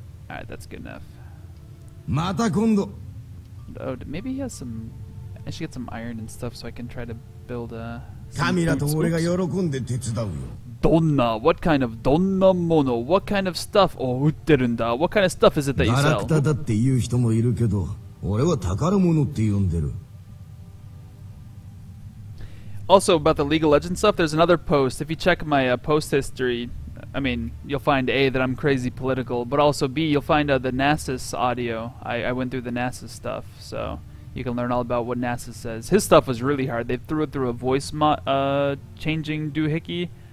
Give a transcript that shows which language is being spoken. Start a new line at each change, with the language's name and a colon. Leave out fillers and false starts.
English: Alright, that's good enough.
Japanese: また今度.
English: Oh, maybe he has some. I should get some iron and stuff so I can try to. Build a...
Japanese: Camila と俺が喜んで手伝うよ。どんな?
English: What kind of?
Japanese: どんなもの?
English: What kind of stuff?
Japanese: を売ってるんだ?
English: What kind of stuff is it that you sell?
Japanese: ガラクタだって言う人もいるけど、俺は宝物って呼んでる。
English: Also, about the League of Legends stuff, there's another post. If you check my post history, I mean, you'll find A, that I'm crazy political, but also B, you'll find the Nasus audio. I went through the Nasus stuff, so... You can learn all about what NASA says. His stuff was really hard. They threw it through a voice changing doohickey.